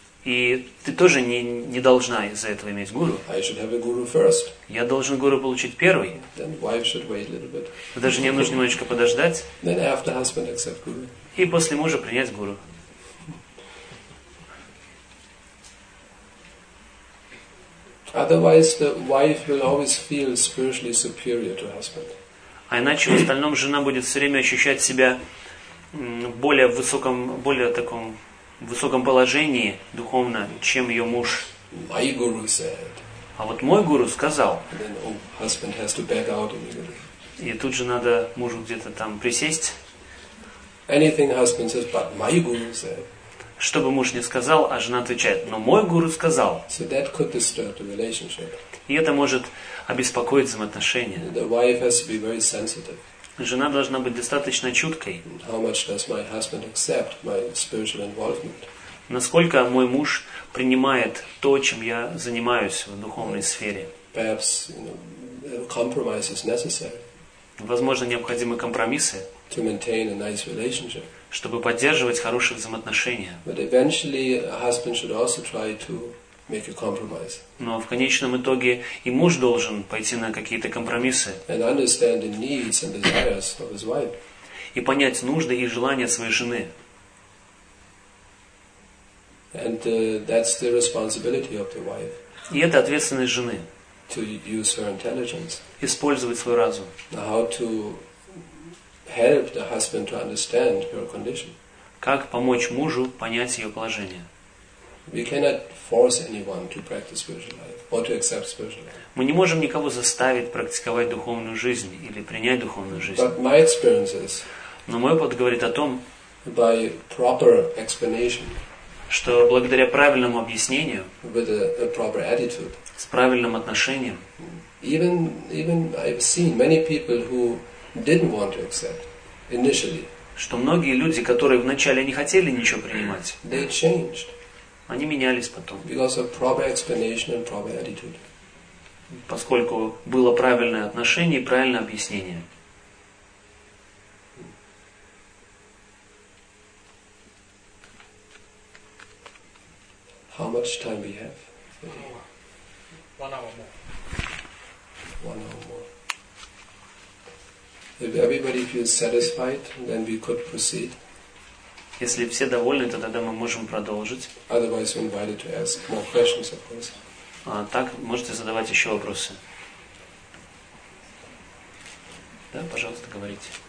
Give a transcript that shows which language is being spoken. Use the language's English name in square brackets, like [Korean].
[Russian] И ты тоже не должна из-за этого иметь гуру. [English] I should have a guru first. [Russian] Я должен гуру получить первый. [English] Then wife should wait a little bit. [Russian] Даже мне нужно немножечко подождать. [English] Then after husband accept guru. [Russian] И после мужа принять гуру. [English] Otherwise the wife will always feel spiritually superior to husband. [Russian] А иначе в остальном жена будет все время ощущать себя более высоком, более таком в высоком положении духовно, чем ее муж. [English] My guru said. [Russian] А вот мой гуру сказал. [English] And then, oh, husband has to back out immediately. [Russian] И тут же надо мужу где-то там присесть. [English] Anything husband says, but my guru said. [Russian] Что бы муж ни сказал, а жена отвечает, но мой гуру сказал. [English] So that could disturb the relationship. [Russian] И это может обеспокоить взаимоотношения. [English] The wife has to be very sensitive. [Russian] Жена должна быть достаточно чуткой. [English] How much does my husband accept my spiritual involvement? [Russian] Насколько мой муж принимает то, чем я занимаюсь в духовной сфере? [English] Perhaps, you know, compromise is necessary. [Russian] Возможно, необходимы компромиссы, [English] to maintain a nice relationship. [Russian] Чтобы поддерживать хорошие взаимоотношения. [English] But eventually, a husband should also try to make a compromise. [Russian] Но в конечном итоге и муж должен пойти на какие-то компромиссы. [English] And understand the needs and desires of his wife. [Russian] И понять нужды и желания своей жены. [English] And that's the responsibility of the wife. [Russian] И это ответственность жены. [English] To use her intelligence. [Russian] Использовать свой разум. [English] How to help the husband to understand her condition. [Russian] Как помочь мужу понять ее положение. [English] We cannot force anyone to practice spiritual life or to accept spiritual life. [Russian] Мы не можем никого заставить практиковать духовную жизнь или принять духовную жизнь. [English] But my experience is. [Russian] Но мой опыт говорит о том, [English] by proper explanation, [Russian] что благодаря правильному объяснению, [English] with a proper attitude, [Russian] с правильным отношением, [English] even I've seen many people who didn't want to accept initially. [Russian] Что многие люди, которые вначале не хотели ничего принимать, [English] they changed. [Russian] Они менялись потом. [English] Because of proper explanation and proper attitude. [Russian] поскольку было правильное отношение и правильное объяснение. [English] How much time we have? One hour more. If everybody feels satisfied, then we could proceed. [Russian] Если все довольны, тогда мы можем продолжить. [English] Otherwise, you're invited to ask more questions, of course. [Russian] А так можете задавать еще вопросы. Да, пожалуйста, говорите.